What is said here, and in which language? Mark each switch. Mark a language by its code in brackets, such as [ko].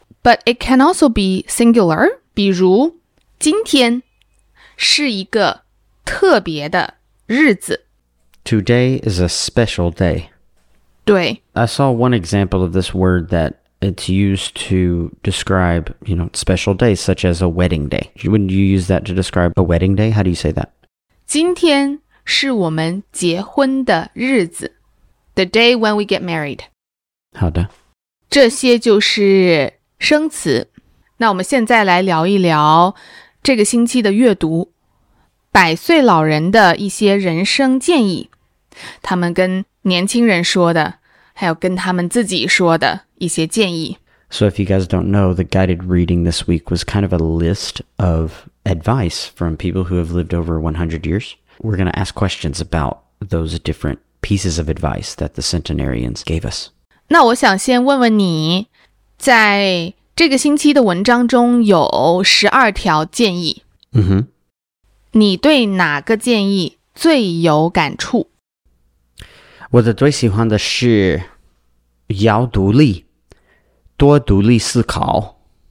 [en] But it can also be singular, [zh] 比如,今天是一个特别的日子。 [en] Today is a special day. [zh] 对。 [en] I saw one example of this word that It's used to describe, you know, special days such as a wedding day. Wouldn't you use that to describe a wedding day? How do you say that? [zh] 今天是我们结婚的日子。 [en] The day when we get married. [zh] 好的。这些就是生词。那我们现在来聊一聊这个星期的阅读。百岁老人的一些人生建议。他们跟年轻人说的。还有跟他们自己说的一些建议。 [en] So if you guys don't know, the guided reading this week was kind of a list of advice from people who have lived over 100 years. We're going to ask questions about those different pieces of advice that the centenarians gave us. [zh] 那我想先问问你，在这个星期的文章中有12条建议。 Mm-hmm. 你对哪个建议最有感触？我的最喜欢的是要独立，多独立思考。